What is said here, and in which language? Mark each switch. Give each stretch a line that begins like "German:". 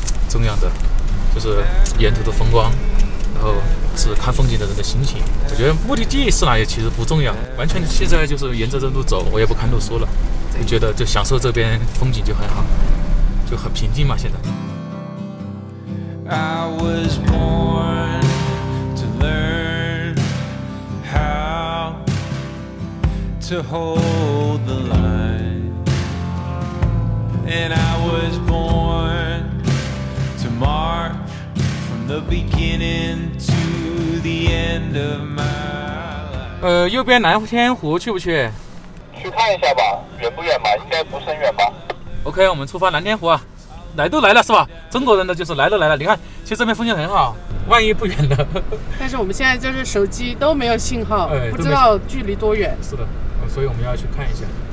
Chinese: 重要的就是沿途的风光，然后是看风景的人的心情，我觉得目的地是哪也其实不重要，完全现在就是沿着这路走，我也不看路书了，就觉得就享受这边风景就很好，就很平静嘛现在。
English: I was born to learn how to hold the line and I was born to mark from the beginning tothe end of my life。
Chinese: 右边南天湖去不去？去看一下吧，远不远吧，应该不甚远吧。 OK， 我们出发南天湖啊，来都来了是吧，中国人的就是来都来了，你看其实这边风景很好，万一不远的。但是我们现在就是手机都没有信号，不知道距离多远。是的，所以我们要去看一下，